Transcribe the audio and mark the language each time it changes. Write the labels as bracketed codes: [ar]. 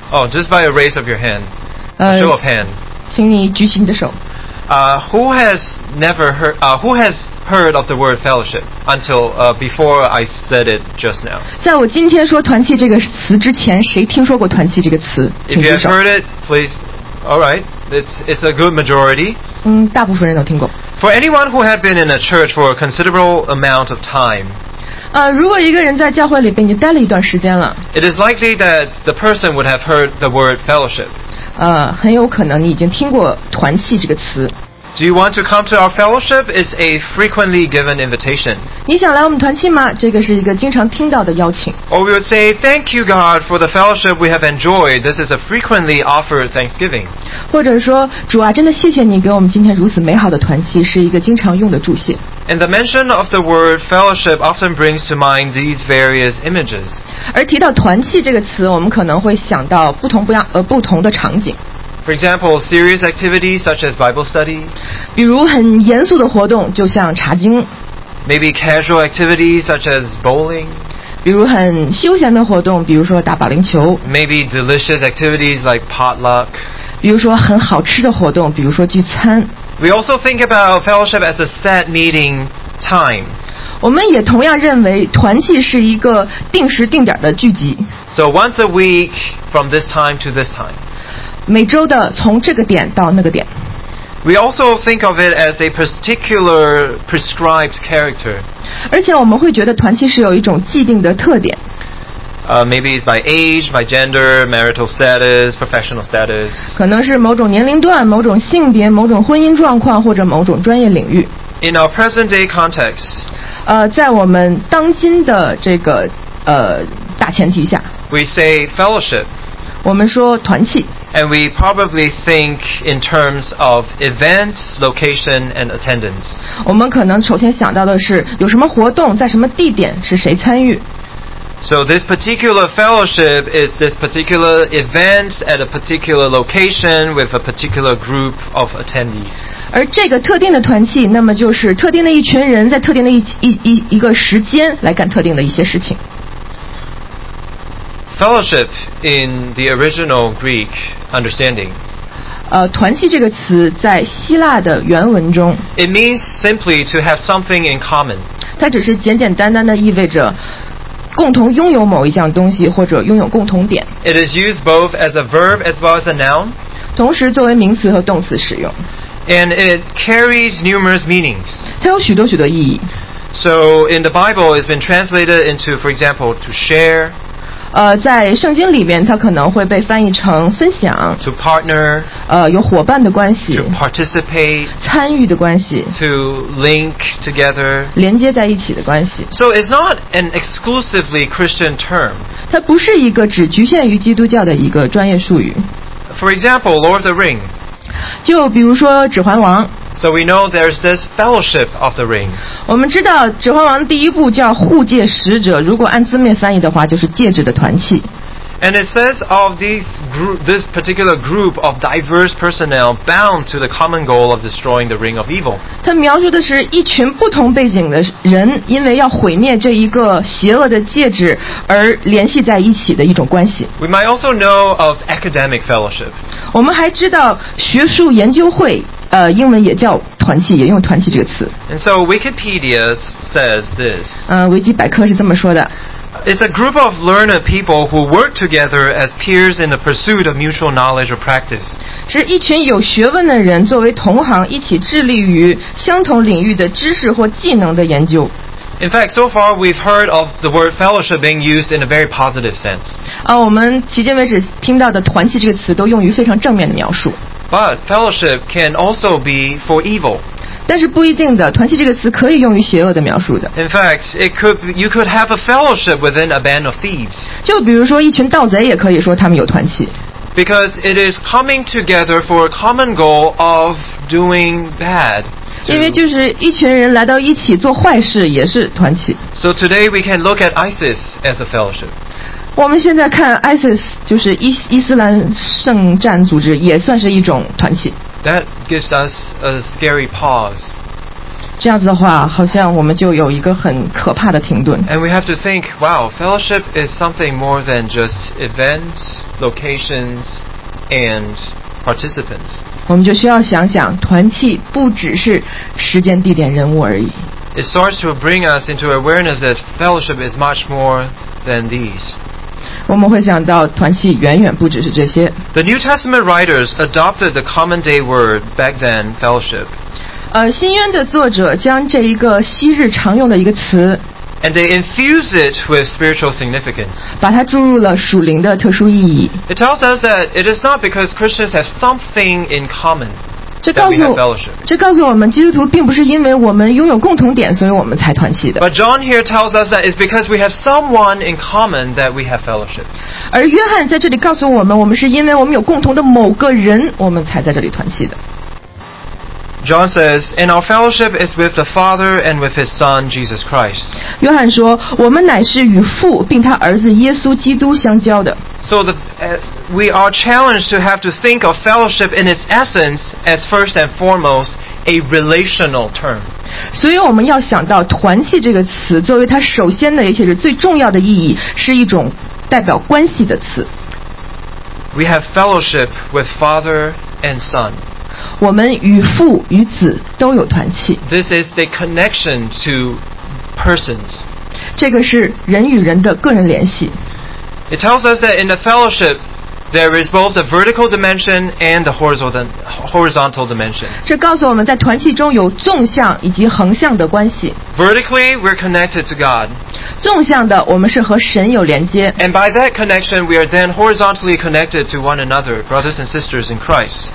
[en] Just by a raise of your hand. A show of hand. [zh] 请你举起你的手。 [en] Who has heard of the word fellowship until before I said it just now? [zh] 在我今天说团契这个词之前，谁听说过团契这个词？ [en] If you have heard it, please. All right, it's a good majority. [zh] 大部分人都听过。 [en] For anyone who had been in a church for a considerable amount of time, [zh] 如果一个人在教会里边你待了一段时间了， [en] it is likely that the person would have heard the word fellowship. [zh] 很有可能你已经听过团契这个词。 [en] Do you want to come to our fellowship? It's a frequently given invitation. [zh] 你想来我们团契吗？这个是一个经常听到的邀请。 [en] Or we would say, thank you God for the fellowship we have enjoyed. This is a frequently offered thanksgiving. [zh] 或者说，主啊，真的谢谢你给我们今天如此美好的团契，是一个经常用的祝谢。 [en] And the mention of the word fellowship often brings to mind these various images. [zh] 而提到团契这个词，我们可能会想到不同的场景。 [en] For example, serious activities such as Bible study. [zh] 比如很严肃的活动，就像查经。 [en] Maybe casual activities such as bowling. [zh] 比如很休闲的活动，比如说打保龄球。 [en] Maybe delicious activities like potluck. [zh] 比如说很好吃的活动，比如说聚餐。 [en] We also think about fellowship as a set meeting time. [zh] 我们也同样认为团契是一个定时定点的聚集。 [en] So once a week from this time to this time. [zh] 每周的从这个点到那个点。 [en] We also think of it as a particular prescribed character. [zh] 而且我们会觉得团契是有一种既定的特点。 [en] Maybe it's by age, by gender, marital status, professional status. [zh] 可能是某种年龄段、某种性别、某种婚姻状况或者某种专业领域。 [en] In our present day context, [zh] 在我们当今的这个大前提下， [en] We say fellowship. [zh] 我们说团契。 [en] And we probably think in terms of events, location, and attendance. [zh] 我们可能首先想到的是有什么活动，在什么地点，是谁参与。 [en] So this particular fellowship is this particular event at a particular location with a particular group of attendees. [zh] 而这个特定的团契，那么就是特定的一群人在特定的一个时间来干特定的一些事情。 [en] Fellowship in the original Greek understanding. [zh] 团契这个词在希腊的原文中。 [en] It means simply to have something in common. [zh] 它只是简简单单的意味着共同拥有某一项东西或者拥有共同点。 [en] It is used both as a verb as well as a noun. [zh] 同时作为名词和动词使用。 [en] And it carries numerous meanings. [zh] 它有许多许多意义。 [en] So in the Bible, it's been translated into, for example, to share. [zh] 在圣经里面，它可能会被翻译成分享。 [en] To partner. [zh] 有伙伴的关系。 [en] To participate. [zh] 参与的关系。 [en] To link together. [zh] 连接在一起的关系。 [en] So it's not an exclusively Christian term. [zh] 它不是一个只局限于基督教的一个专业术语。 [en] For example, Lord of the Ring. [zh] 就比如说指环王 [en] So we know there's this Fellowship of the Ring [zh] 我们知道指环王第一部叫护戒使者如果按字面翻译的话就是戒指的团契 [en] And it says of these group, this particular group of diverse personnel bound to the common goal of destroying the ring of evil [zh] 它描述的是一群不同背景的人因为要毁灭这一个邪恶的戒指而联系在一起的一种关系 [en] We might also know of Academic Fellowship [zh] 我们还知道学术研究会英文也叫团契也用团契这个词 [en] And so Wikipedia says this [zh] 维基百科是这么说的 [en] It's a group of learned people who work together as peers in the pursuit of mutual knowledge or practice [zh] 是一群有学问的人作为同行一起致力于相同领域的知识或技能的研究 [en] In fact, so far we've heard of the word fellowship being used in a very positive sense. [zh] 我们迄今为止听到的团契这个词都用于非常正面的描述。 [en] But fellowship can also be for evil. [zh] 但是不一定的，团契这个词可以用于邪恶的描述的。 [en] In fact, you could have a fellowship within a band of thieves. [zh] 就比如说一群盗贼也可以说他们有团契。 [en] Because it is coming together for a common goal of doing bad. [zh] 因为就是一群人来到一起做坏事也是团契 [en] So today we can look at ISIS as a fellowship [zh] 我们现在看 ISIS 就是伊斯兰圣战组织也算是一种团契 [en] That gives us a scary pause [zh] 这样子的话好像我们就有一个很可怕的停顿 [en] And we have to think Wow, fellowship is something more than just events, locations, andparticipants. [zh] 我们就需要想想团契不只是时间地点人物而已 [en] It starts to bring us into awareness that fellowship is much more than these. [zh] 我们会想到团契远远不只是这些 [en] The New Testament writers adopted the common day word back then, fellowship. [zh] 新约的作者将这一个昔日常用的一个词 [en] And they infused it with spiritual significance. [zh] 把它注入了属灵的特殊意义 [en] It tells us that it is not because Christians have something in common that we have fellowship. [zh] 这告诉我们基督徒并不是因为我们拥有共同点所以我们才团契的 [en] But John here tells us that it's because we have someone in common that we have fellowship. [zh] 而约翰在这里告诉我们我们是因为我们有共同的某个人我们才在这里团契的 [en] John says, and our fellowship is with the Father and with His Son, Jesus Christ. [zh] 约翰说，我们乃是与父并他儿子耶稣基督相交的。 [en] So we are challenged to have to think of fellowship in its essence as first and foremost a relational term. [zh] 所以我们要想到团契这个词作为它首先的也且是最重要的意义是一种代表关系的词。 [en] We have fellowship with Father and Son. [zh] 我们与父与子都有团契 [en] This is the connection to persons [zh] 这个是人与人的个人联系 [en] It tells us that in the fellowship there is both the vertical dimension and the horizontal dimension [zh] 这告诉我们在团契中有纵向以及横向的关系 [en] Vertically, we're connected to God [zh] 纵向的我们是和神有连接 [en] And by that connection, we are then horizontally connected to one another, brothers and sisters in Christ